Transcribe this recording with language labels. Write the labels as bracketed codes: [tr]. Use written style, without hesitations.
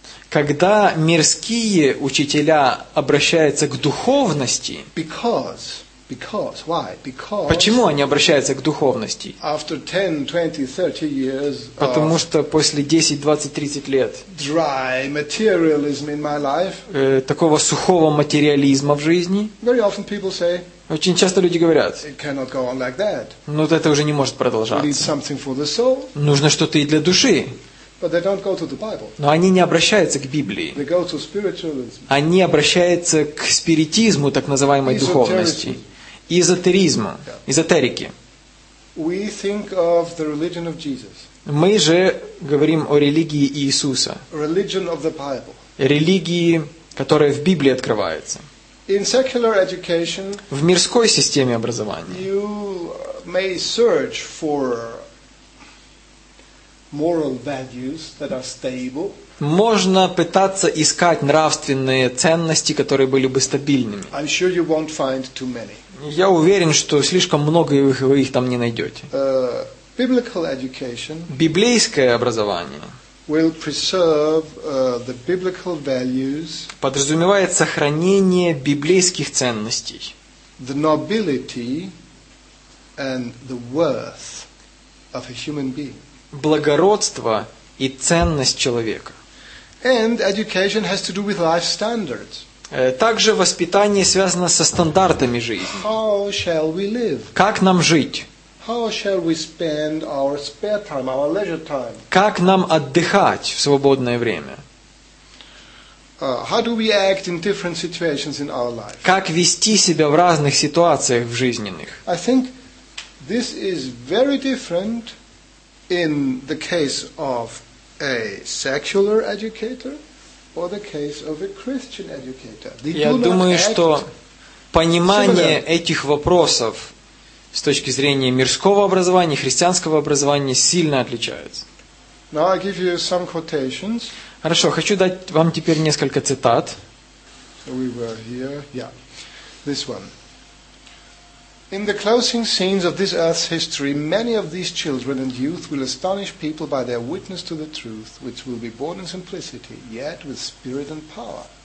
[ru] Когда мирские учителя обращаются к духовности, [en] because why? Because [ru] почему они обращаются к духовности? [en] After 10, 20, 30 years of [ru] потому что после 10, 20, 30 лет [en] dry materialism in my life, [ru] такого сухого материализма в жизни, [en] very often people say, [ru] очень часто люди говорят, [en] it cannot go on like that. [ru] Ну, вот это уже не может продолжаться. [en] We need something for the soul. [ru] Нужно что-то и для души. [en] But they don't go to the Bible. [ru] Но они не обращаются к Библии. [en] They go to spiritualism. [ru] Они обращаются к спиритизму, так называемой [en] Esoterism. [ru] Духовности, эзотеризму, эзотерике. [en] We think of the religion of Jesus. [ru] Мы же говорим о религии Иисуса. [en] Religion of the Bible. [ru] Религии, которая в Библии открывается. [en] In secular education, [ru] в мирской системе образования [en] you may search for moral values that are stable. [ru] Можно пытаться искать нравственные ценности, которые были бы стабильными. [en] I'm sure you won't find too many. [ru] Я уверен, что слишком много вы их там не найдете. [en] Biblical education. [ru] Библейское образование. [en] Will preserve the biblical values. [ru] Подразумевает сохранение библейских ценностей. [en] The nobility and the worth of a human being. [ru] Благородство и ценность человека. [en] And education has to do with life standards. [ru] Также воспитание связано со стандартами жизни. [en] How shall we live? [ru] Как нам жить? [en] How shall we spend our spare time, our leisure time? [ru] Как нам отдыхать в свободное время? [en] How do we act in different situations in our life? [ru] Как вести себя в разных ситуациях в жизненных? [en] I think this is very different in the case of a secular educator or the case of a Christian educator. [ru] Я думаю, что понимание этих вопросов с точки зрения мирского образования, христианского образования сильно отличается. [en] Now I give you some quotations. [ru] Хорошо, хочу дать вам теперь несколько цитат. [en] So we were here. Yeah. This one. In the closing scenes of this earth's history, many of these children and youth will astonish people by their witness to the truth, which will be born in simplicity, yet with spirit and power.